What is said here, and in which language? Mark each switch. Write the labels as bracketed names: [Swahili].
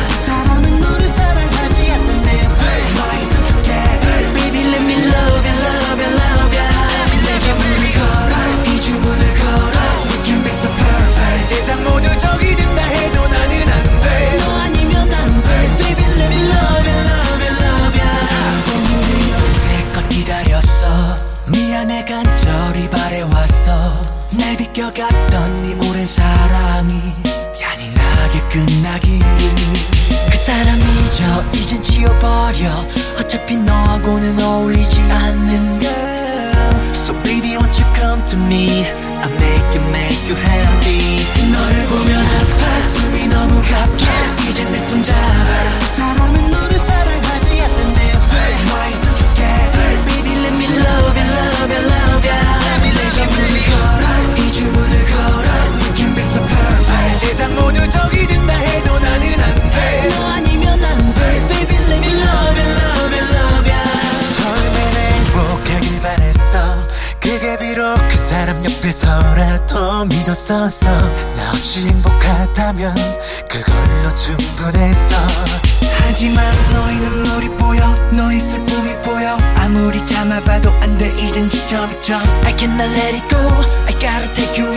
[Korean] 사람은 너를 사랑하지 않는데. [English] Why don't you care? Baby, let me love you, love you, love you. [Korean] 내 점을 걸어. 이 주문을 걸어. Perfect. 세상 모두 적이 된다 해도 나는 안 돼. 너 아니면 안 돼. Baby, let me love you, love you, love you. 내껏 기다렸어. 미안해 간절히 바래왔어. 날 비껴갔던 네 오랜 사랑이 잔인하게 끝나길. 그 사람 잊어 이젠 지워버려. 어차피 너하고는 어울리지 않는 girl. [English] So baby, won't you come to me? I'll make you, make you happy. [Korean] 너를 보면 아파. 숨이 너무 가파. Yeah. 이제 내 손 잡아. 사람은 너를 사랑하지 않는데. [English] Hey. Why don't you care? Hey. Baby, let me love you, love you, love you. [Korean] 내 주문을 걸어. 이 주문을 걸어. [English] You can be so perfect. [Korean] 세상 모두 적이 된다 해도 나는 안 돼. 너 아니면 안 돼. [English] Baby, let me love you, love you, love you. [Korean] 처음엔 행복하길 바랬어. 그게 비록 그 사람 옆에서라도 믿었었어. 나 없이 행복하다면 그걸로 충분했어. 하지만 너의 눈물이 보여. 너의 슬픔이 보여. 아무리 참아봐도 안 돼. 이젠 지쳐버려. [English] I cannot let it go. I gotta take you.